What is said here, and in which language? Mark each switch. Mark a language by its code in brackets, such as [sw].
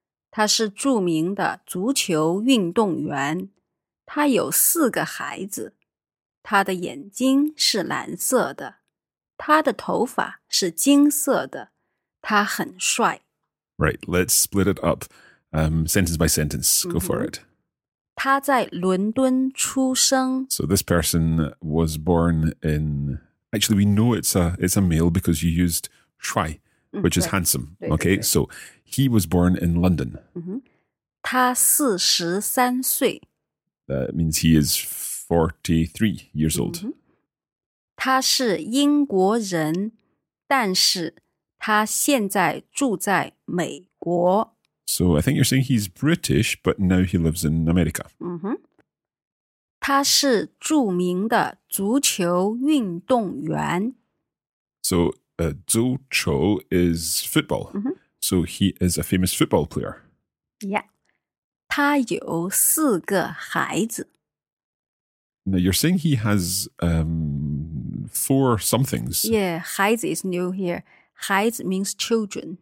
[zh] 他是著名的足球运动员。他有四个孩子，他的眼睛是蓝色的，他的头发是金色的，他很帅。 [en] Right, let's split it up, sentence by sentence. Go for it. [zh] 他在伦敦出生。 [en] So this person was born in. Actually, we know it's a male because you used 帅, which is handsome. Okay, so he was born in London. [zh] 他四十三岁。 [en] That means he is 43 years old. [zh] 他是英国人，但是他现在住在美国。 [en] So I think you're saying he's British, but now he lives in America. [zh] 他是著名的足球运动员。 [en] So 足球 is football. So he is a famous football player. [zh] Yeah. 他有四个孩子。 [en] Now you're saying he has four somethings. Yeah, 孩子 is new here. 孩子 means children.